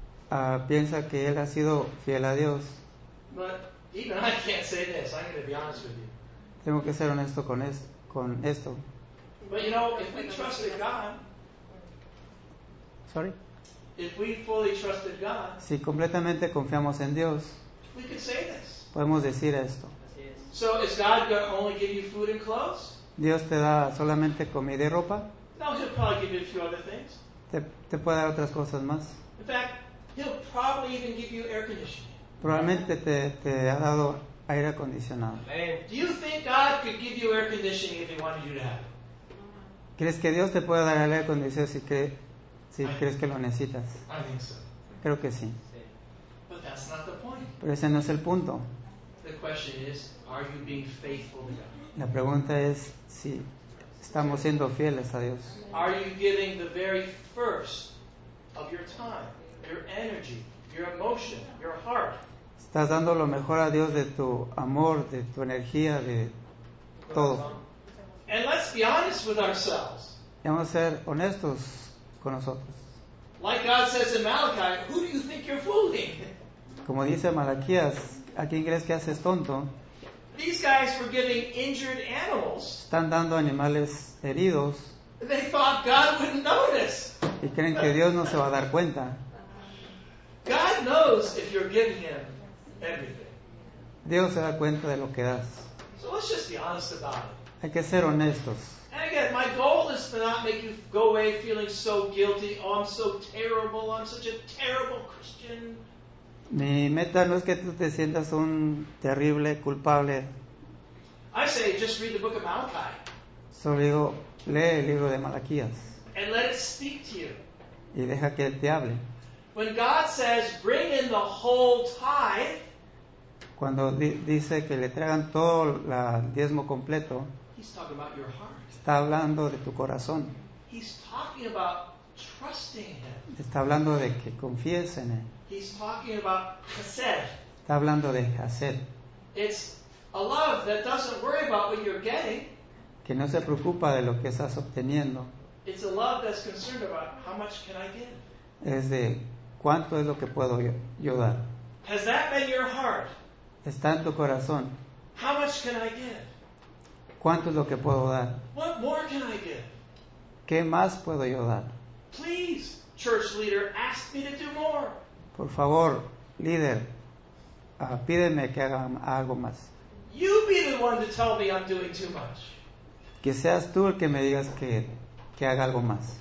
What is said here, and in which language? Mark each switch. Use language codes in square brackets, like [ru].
[es] Piensa que él ha sido fiel a Dios. [en] But even I can't say this. I'm going to be honest with you. [es] Tengo que ser honesto con esto. [en] But you know, if we trusted God, if we fully trusted God, [es] si completamente confiamos en Dios, [en] we can say this. [es] Podemos decir esto. [en] So is God going to only give you food and clothes? [es] Dios te da solamente comida y ropa? [en] No, he'll probably give you a few other things. [es] Te puede dar otras cosas más. [en] In fact, he'll probably even give you air conditioning. [es] Probablemente te ha dado aire acondicionado. [en] Do you think God could give you air conditioning if he wanted you to have it? [es] ¿Crees que Dios te puede dar aire acondicionado si crees que lo necesitas? [en] I think so. [es] Creo que sí. [en] But that's not the point. [es] Pero ese no es el punto. [en] The question is, are you being faithful to God? [es] La pregunta es si estamos siendo fieles a Dios. [en] Are you giving the very first of your time, your energy, your emotion, your heart? [es] ¿Estás dando lo mejor a Dios de tu amor, de tu energía, de todo? [en] And let's be honest with ourselves. [es] Vamos a ser honestos con nosotros. [en] Like God says in Malachi, who do you think you're fooling? [es] Como dice Malaquías, ¿a quién crees que haces tonto? [en] These guys were giving injured animals. [es] Están dando animales heridos. [en] They thought God wouldn't notice. [es] Y creen que Dios no se va a dar cuenta. [en] God knows if you're giving him everything. [es] Dios se da cuenta de lo que das. [en] So let's just be honest about it. [es] Hay que ser honestos. [en] And again, my goal is to not make you go away feeling so guilty. Oh, I'm so terrible. I'm such a terrible Christian. [es] Mi meta no es que tú te sientas un terrible culpable. [en] I say, just read the book of Malachi. [es] Solo digo, lee el libro de Malaquías. [en] And let it speak to you. [es] Y deja que él te hable. [en] When God says, bring in the whole tithe. [es] Cuando dice que le traigan todo el diezmo completo, [en] he's talking about your heart. [es] Está hablando de tu corazón. [en] He's talking about trusting him. [es] Está hablando de que confíes en él. [en] He's talking about chesed. [es] Está hablando de chesed. [en] It's a love that doesn't worry about what you're getting. [es] Que no se preocupa de lo que estás obteniendo. [en] It's a love that's concerned about how much can I give. [es] Es de cuánto es lo que puedo yo dar. [en] Has that been your heart? [es] Está en tu corazón. [en] How much can I give? [es] ¿Cuánto es lo que puedo dar? [en] What more can I give? [es] ¿Qué más puedo yo dar? [en] Please, church leader, ask me to do more. [es] Por favor, líder, pídeme que haga algo más. [en] You be the one to tell me I'm doing too much. [es] Que seas tú el que me digas que haga algo más.